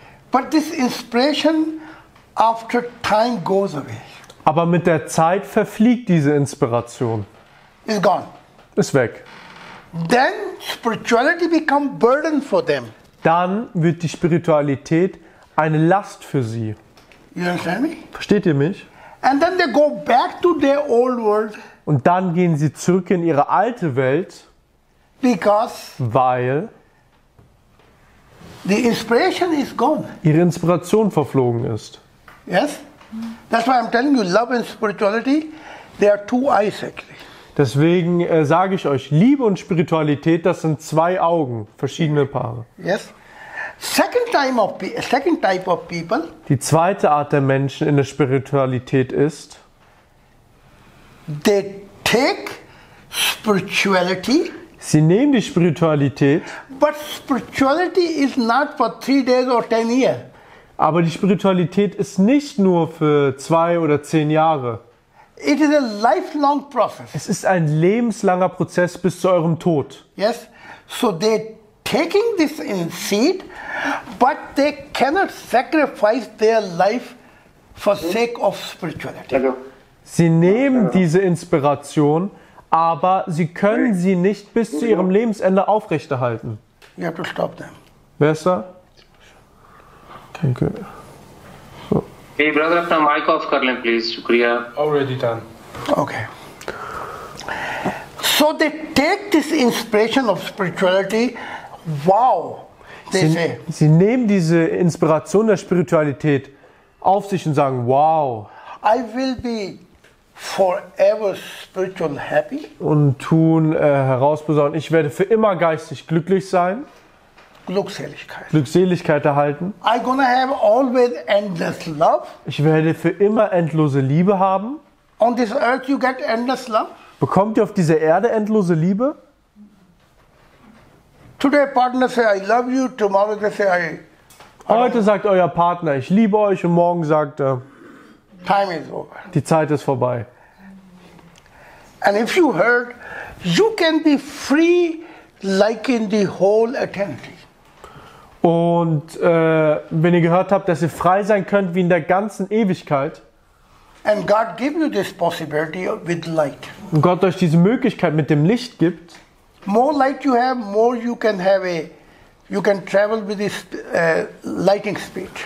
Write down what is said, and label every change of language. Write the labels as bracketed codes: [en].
[en] But this inspiration after time goes away. [de] Aber mit der Zeit verfliegt diese Inspiration. [en] Is gone. [de] Ist weg. [en] Then spirituality become burden for them. [de] Dann wird die Spiritualität eine Last für sie. [en] You understand me? [de] Versteht ihr mich? [en] And then they go back to their old world. [de] Und dann gehen sie zurück in ihre alte Welt. [en] Because [de] weil [en] the inspiration is gone. [de] Ihre Inspiration verflogen ist. [en] Yes? That's why I'm telling you, love and spirituality, they are 2 eyes actually. [de] Deswegen sage ich euch, Liebe und Spiritualität, das sind 2 Augen, verschiedene Paare. [en] Yes. Second type of people. [de] Die zweite Art der Menschen in der Spiritualität ist. [en] They take spirituality. [de] Sie nehmen die Spiritualität. [en] But spirituality is not for 3 days or 10 years. [de] Aber die Spiritualität ist nicht nur für 2 oder 10 Jahre. [en] It is a lifelong process. [de] Es ist ein lebenslanger Prozess bis zu eurem Tod. [en] Yes. So they're taking this in seed, but they cannot sacrifice their life for sake of spirituality. [de] Sie nehmen diese Inspiration, aber sie können sie nicht bis zu ihrem Lebensende aufrechterhalten. [en] You have to stop them. [de] Besser? Danke. [en] Hey, brother, from mic off, Karlin, please. Shukriya. Already done. Okay. So they take this inspiration of spirituality. Wow. [de] Sie nehmen diese Inspiration der Spiritualität auf sich und sagen, wow. [en] I will be forever spiritual happy. [de] Und tun herausbesorgen, ich werde für immer geistig glücklich sein. Glückseligkeit erhalten. [en] I gonna have always endless love. [de] Ich werde für immer endlose Liebe haben. [en] On this earth you get endless love? [de] Bekommt ihr auf dieser Erde endlose Liebe? [en] Today partner say I love you, tomorrow they say I. [de] Heute sagt euer Partner, ich liebe euch, und morgen sagt er, [en] time is over. [de] Die Zeit ist vorbei. [en] And if you heard, you can be free like in the whole eternity. [de] Und wenn ihr gehört habt, dass ihr frei sein könnt wie in der ganzen Ewigkeit. [en] And God give you this possibility with light. [de] Und Gott euch diese Möglichkeit mit dem Licht gibt. [en] More light you have, more you can have a, you can travel with this lightning speed.